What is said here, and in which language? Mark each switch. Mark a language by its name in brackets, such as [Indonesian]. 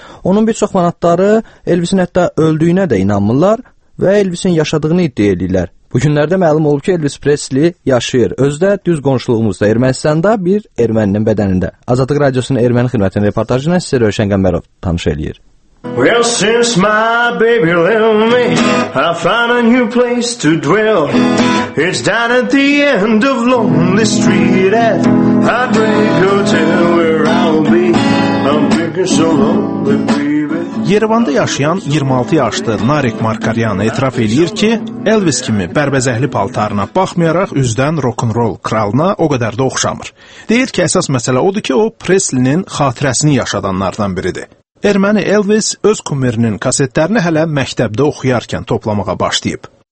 [Azerbaijani] Onun bir çox fanatları Elvis'in hətta öldüyünə də inanmırlar. Və Elvis'in yaşadığını iddia edirlər. Bugünlərdə məlum olub ki, Elvis Presley yaşayır. Özdə düz qonşuluğumuzda Ermənistanda bir erməninin bədənində. Azadlıq Radiosunun erməni xidmətinin reportajına sizə Rövşən Qəmbərov tanış eləyir. [English] Well, since my baby left me, I found a new place to dwell. It's down at the end of Lonely Street at Heartbreak Hotel where I'll be. I'm drinking so lonely, baby. [Azerbaijani] Yerevanda yaşayan 26 yaşlı Narek Markaryan etiraf edir ki, Elvis kimi bərbəzəhli paltarına baxmayaraq üzdən rock'n'roll kralına o qədər də oxşamır. Deyir ki, əsas məsələ odur ki, o Presley'nin xatirəsini yaşadanlardan biridir. Erməni Elvis öz kumirinin kasetlərini hələ məktəbdə oxuyarkən toplamağa başlayıb.